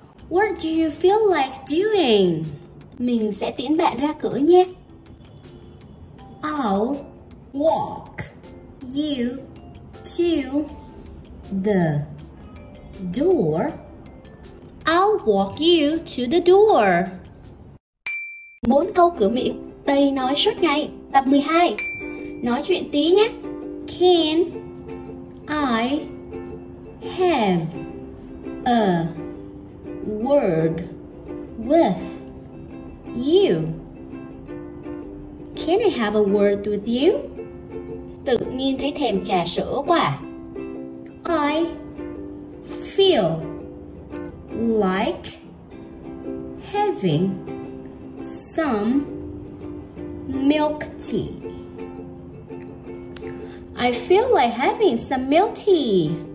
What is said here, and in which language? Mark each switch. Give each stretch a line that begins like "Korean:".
English: What do you feel like doing?
Vietnamese: Mình sẽ tiễn bạn ra cửa nhé.
English: I'll walk you to the door. I'll walk you to the door.
Vietnamese: 4 câu cửa miệng Tây nói suốt ngày, tập 12. Nói chuyện tí nhé.
English: Can I have a word with you? Can I have a word with you?
Vietnamese: Tự nhiên thấy thèm trà sữa quá.
English: I feel like having some milk tea. I feel like having some milk tea.